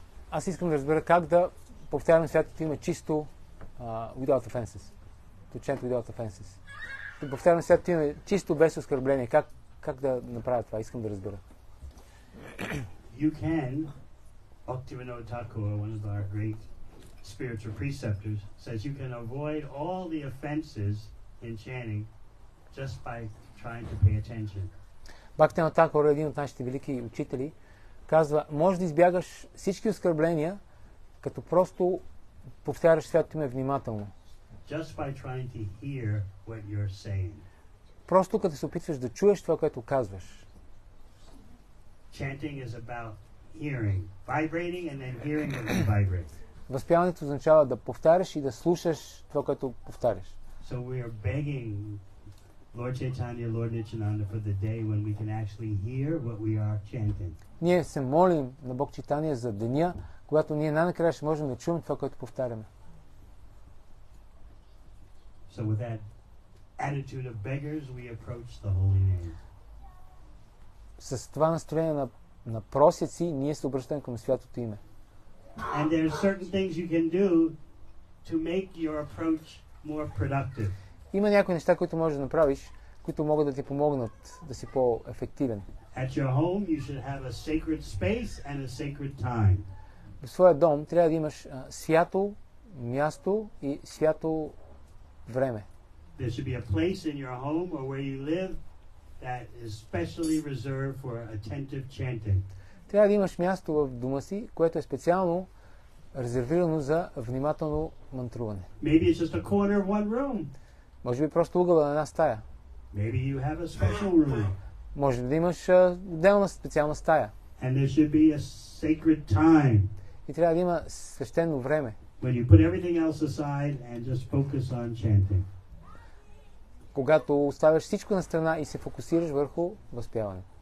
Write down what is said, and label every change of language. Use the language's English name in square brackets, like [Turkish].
[Bulgarian] Аз искам да разбера как да повтарям святото име чисто [English] without offenses. To chant without offenses. [Bulgarian] Да повтарям святото име чисто без оскърбление. Как да направя това? Искам да разбера. [English] You can. Bhaktivinoda Thakur, one of our great spiritual preceptors, says you can avoid all the offenses in chanting just by trying to pay attention. [Bulgarian] Бхактивинода Такор, един от нашите велики учители, казва, може да избягаш всички оскърбления, като просто повтаряш святото име внимателно. [English] Just by trying to hear what you're saying. [Bulgarian] Просто като се опитваш да чуеш това, което казваш. [English] Chanting is about hearing, vibrating and then hearing when you vibrate. [Bulgarian] Възпяването означава да повтаряш и да слушаш това, което повтаряш. [English] So we are begging Lord Chaitanya, Lord Nityananda for the day when we can actually hear what we are chanting. [Bulgarian] Ние се молим на Бог Чайтания за деня, когато ние най-накрая ще можем да чуем това, което повтаряме. [English] So with that attitude of beggars, we approach the holy name. [Bulgarian] С това настроение на, на просяци, ние се обръщаме към Святото име. [English] And there are certain things you can do to make your approach more productive. [Bulgarian] Има някои неща, които можеш да направиш, които могат да ти помогнат да си по-ефективен. [English] At your home you should have a sacred space and a sacred time. [Bulgarian] В своя дом трябва да имаш свято място и свято време. [English] There should be a place in your home or where you live that is specially reserved for attentive chanting. [Bulgarian] Трябва да имаш място в дома си, което е специално резервирано за внимателно мантруване. [English] Maybe it's just a corner of one room. [Bulgarian] Може би просто угъла на една стая. [English] Maybe you have a special room. [Bulgarian] Може би да имаш отделна специална стая. [English] And there should be a sacred time. [Bulgarian] И трябва да има свещено време. [English] When you put everything else aside and just focus on chanting. [Bulgarian] Когато оставяш всичко на страна и се фокусираш върху възпяване.